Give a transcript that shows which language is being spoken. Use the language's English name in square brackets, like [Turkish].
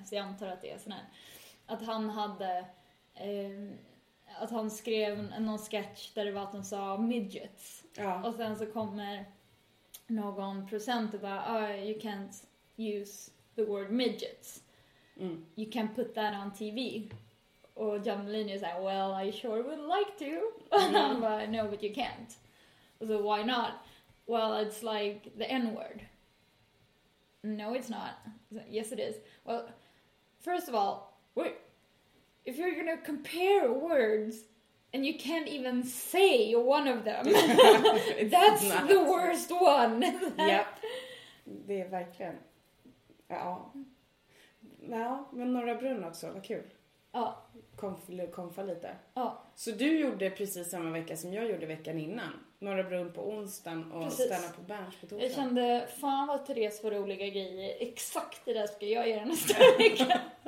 [Swedish] Så jag antar att det är SNL. Att han hade, att han skrev någon sketch där det var att han sa midgets. Ja. Och sen så kommer någon producent och bara, [English] you can't use the word midgets. You can put that on TV. [Swedish] Och John Mulaney säger, [English] well, I sure would like to. Mm. But no, but you can't. So why not? Well, it's like the N-word. No, it's not. So, yes, it is. Well, first of all, if you're gonna compare words and you can't even say one of them, that's not the worst one. [Swedish] Yep. Det är verkligen. Ja. Ja, men Norra Brunn också, vad kul. Ja. Komfa lite. Ja. Så du gjorde precis samma vecka som jag gjorde veckan innan. Norra Brunn på onsdagen och stanna på Berns på torsdagen. Jag kände, fan vad Therese var roliga grejer. Exakt det där ska jag göra nästa vecka.